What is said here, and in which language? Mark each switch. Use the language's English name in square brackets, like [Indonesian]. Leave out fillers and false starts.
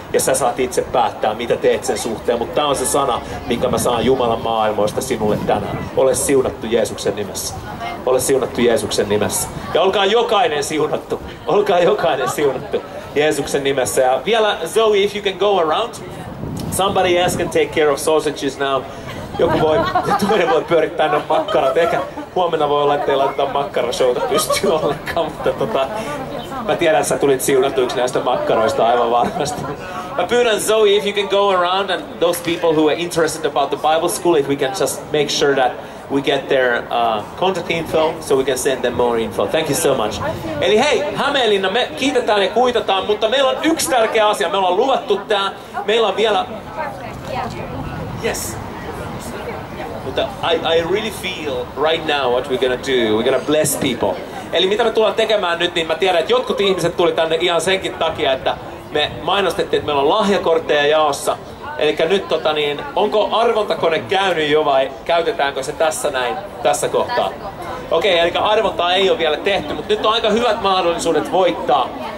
[Finnish] Ja sä saat itse päättää, mitä teet sen suhteen. Mutta tää on se sana, minkä mä saan Jumalan maailmoista sinulle tänään. Ole siunattu Jeesuksen nimessä. Ole siunattu Jeesuksen nimessä. Ja olkaa jokainen siunattu. Olkaa jokainen siunattu Jeesuksen nimessä. Ja vielä, [English] Zoe, if you can go around. Somebody else can take care of sausages now. [Finnish] Joku voi, toinen voi pyörittää ne makkarat. Ehkä huomenna voi olla, ettei laiteta makkarashouta pystyy ollenkaan, mutta mä tiedän, että sä tulit siunattuiksi näistä makkaroista aivan varmasti. Mä pyydän [English] Zoe, if you can go around and those people who are interested about the Bible school, if we can just make sure that we get their contact info so we can send them more info. Thank you so much. [Finnish] Eli hei, Hämeenlinna, me kiitetään ja kuitataan, mutta meillä on yksi tärkeä asia. Me ollaan luvattu tää. Meillä on vielä... Yes. [English] Mutta I really feel right now what we're gonna do. We're gonna bless people. [Finnish] Eli mitä me tullaan tekemään nyt, niin mä tiedän, että jotkut ihmiset tuli tänne ihan senkin takia, että me mainostettiin, että meillä on lahjakortteja jaossa. Eli nyt onko arvontakone käynyt jo vai käytetäänkö se tässä näin, tässä kohtaa? Okei, eli arvontaa ei ole vielä tehty, mutta nyt on aika hyvät mahdollisuudet voittaa.